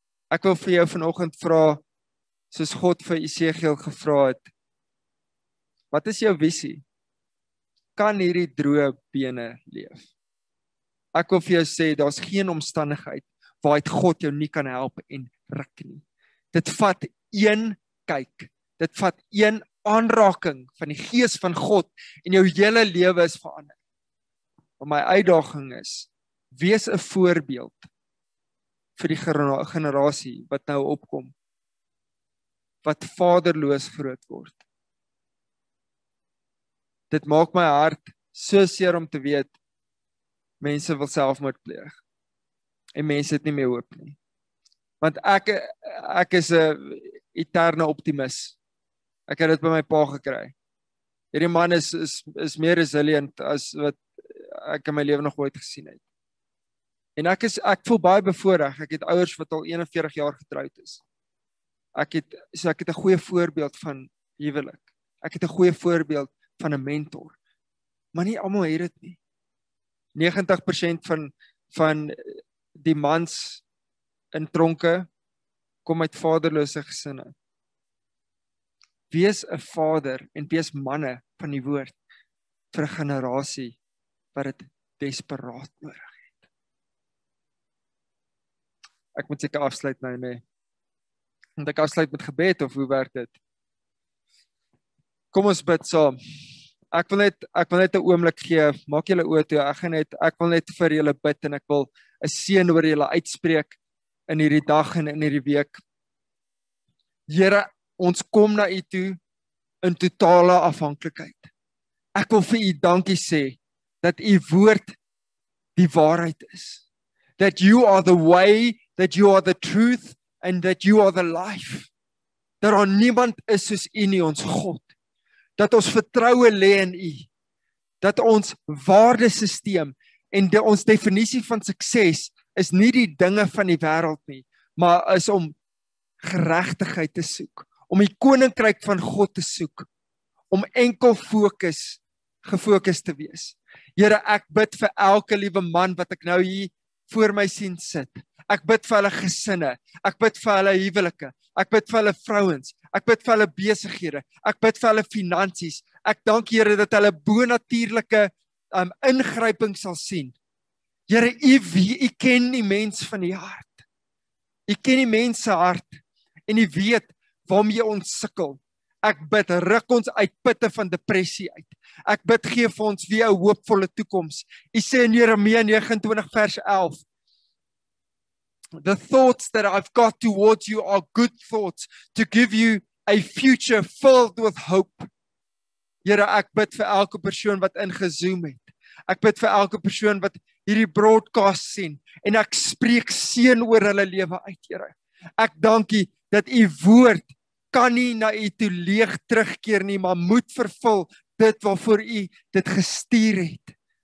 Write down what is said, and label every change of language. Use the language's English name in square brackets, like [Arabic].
[Afrikaans] Ek wil vir jou vanoggend vra, soos God vir Esegiel gevra het, wat is jou visie? Kan hierdie droë bene leef? Ek wil vir jou sê, daar's geen omstandigheid waaruit God jou nie kan help en ruk nie. Dit vat een kyk, dit vat een aanraking van die Gees van God en jou hele lewe is verander. My uitdaging is, wees 'n voorbeeld vir die generasie wat nou opkom, wat vaderloos groot word. Dit maak my hart so seer om te weet, mense wil selfmoord pleeg. En mense het nie meer hoop nie. Want ek is 'n eterne optimis. Ek het dit by my pa gekry. Hierdie man is meer resilient as wat ek in my lewe nog ooit gesien het. En ek voel baie bevoorreg. Ek het ouers wat al 41 jaar getroud is. Ek het 'n goeie voorbeeld van huwelik. Ek het 'n goeie voorbeeld van 'n mentor. Maar nie almal het dit nie. 90% van die mans in tronke kom uit vaderlose gesinne. Wees 'n vader en wees manne van die woord vir 'n generasie wat dit desperaat nodig het. Ek moet seker afsluit nou nê. Moet ek afsluit met gebed of hoe werk dit? Kom ons bid saam. Ek wil net 'n oomblik gee. Maak julle oë toe. Ek wil net vir julle bid en ek wil 'n seën oor julle uitspreek in hierdie dag en in hierdie week. Here, ons kom na u toe in totale afhanklikheid. Ek wil vir u dankie sê dat u woord die waarheid is. [English] That you are the way, that you are the truth and that you are the life. [Afrikaans] Dat daar niemand is soos u nie, ons God. Dat ons vertroue lê in u. Dat ons waardesisteem en ons definisie van sukses is nie die dinge van die wêreld nie, maar is om geregtigheid te soek, om die koninkryk van God te soek, om enkel gefokus te wees. Here, ek bid vir elke liewe man wat ek nou hier voor my sien sit. Ek bid vir hulle gesinne, ek bid vir hulle huwelike, ek bid vir hulle vrouens, ek bid vir hulle besighede, ek bid vir hulle finansies. Ek dank Here dat hulle bonatuurlike ingryping sal sien. Here, u ken die mens van die hart. U ken die mens se hart en u weet waarmee ons sukkel. Ek bid, ruk ons uit putte van depressie uit. Ek bid, gee vir ons weer 'n hoopvolle toekoms. U sê in Jeremia 29 vers 11, [English] "The thoughts that I've got towards you are good thoughts to give you a future filled with hope." [Afrikaans] Here, ek bid vir elke persoon wat ingezoom het. Ek bid vir elke persoon wat hierdie broadcast sien en ek spreek seën oor hulle lewe uit, Here. Ek dankie dat u woord kan nie na u toe leeg terugkeer nie, maar moet vervul dit waarvoor u dit gestuur het.